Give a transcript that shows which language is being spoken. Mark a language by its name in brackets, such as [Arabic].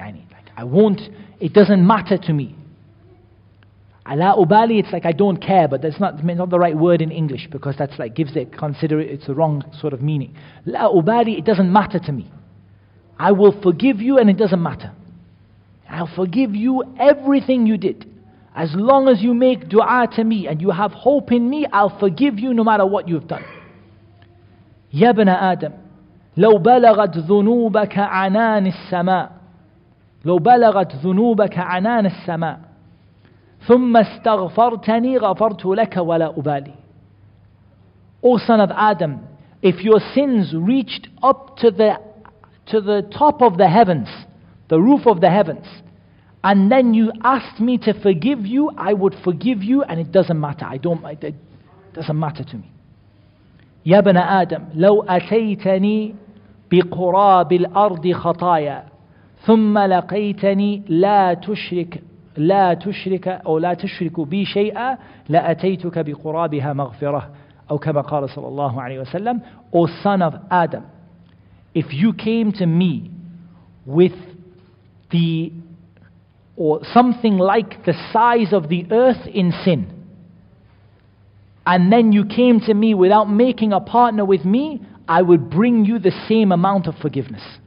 [English] يعني, like, I won't, it doesn't matter to me. [Arabic] لا أبالي, [English] it's like I don't care, but that's not the right word in English, because that's like gives it, consider it, it's a wrong sort of meaning. [Arabic] لا أبالي, [English] it doesn't matter to me. I will forgive you and it doesn't matter. I'll forgive you everything you did. As long as you make dua to me and you have hope in me, I'll forgive you no matter what you've done. [Arabic] يا بن آدم لو بلغت ذنوبك عنان السماء لو بلغت ذنوبك عنان السماء ثُمَّ اسْتَغْفَرْتَنِي غَفَرْتُ لَكَ وَلَا أُبَالِي. [English] O son of Adam, if your sins reached up to the top of the heavens, the roof of the heavens, and then you asked me to forgive you, I would forgive you and it doesn't matter. It doesn't matter to me. [Arabic] يَا بَنَا آدَمْ لَوْ أَتَيْتَنِي بِقُرَابِ الْأَرْضِ خَطَايَا ثُمَّ لَقَيْتَنِي لَا تُشْرِكَ لا تشرك أو لا تشرك بي شيئا لأتيتك بقرابها مغفرة أو كما قال صلى الله عليه وسلم. [English] O son of Adam, if you came to me with the or something like the size of the earth in sin, and then you came to me without making a partner with me, I would bring you the same amount of forgiveness.